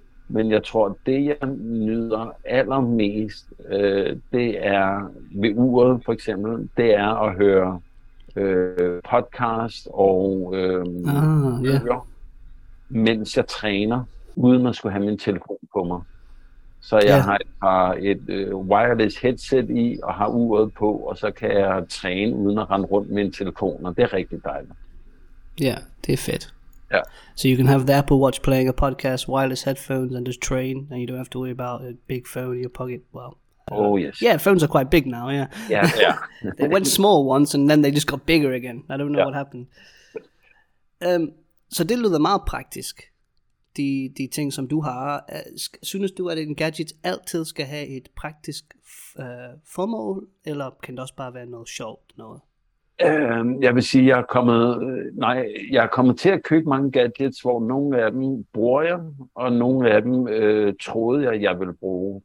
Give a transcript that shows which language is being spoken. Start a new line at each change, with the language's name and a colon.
Danish: Men jeg tror, det jeg nyder allermest, det er ved uret for eksempel, det er at høre podcast og bøger, mens jeg træner, uden at skulle have min telefon på mig. Så jeg har et wireless headset i og har uret på, og så kan jeg træne uden at rende rundt med en telefon, og det er rigtig dejligt. Ja, det er fedt. Ja.
English: So you can have the Apple Watch playing a podcast, wireless headphones, and just train, and you don't have to worry about a big phone in your pocket. Well, oh yes. Yeah, phones are quite big now. Yeah. Yeah. They went small once, and then they just got bigger again. I don't know what happened.
Danish: Så det lyder meget praktisk. De ting som du har, synes du at en gadget altid skal have et praktisk formål, eller kan det også bare være noget sjovt noget? Jeg vil sige, jeg er kommet til at købe mange gadgets, hvor nogle af dem bruger jeg, og nogle af dem troede jeg ville bruge.